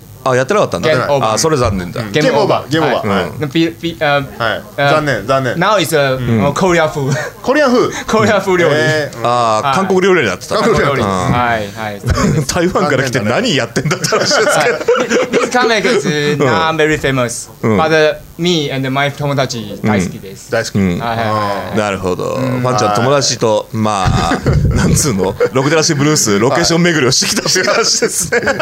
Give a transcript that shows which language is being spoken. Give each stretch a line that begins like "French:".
Japanese: あ、やってなかったんだ。ゲームオーバー。あ、それ残念だ。ゲームオーバー。ゲームオーバー。はい。残念残念。
English: Now is Korean food. Korean food. Korean food 料理。
Japanese: あ、韓国料理になってた。韓国料理。はいはい。台湾から来て何やってんだって話ですけど。
English: Comic is not very famous, but me and my
Japanese: 友達大好きです。大好き。なるほど。ファンちゃん友達とまあなんつうのロクデラシブルースロケーション巡りをしてきたって話ですね。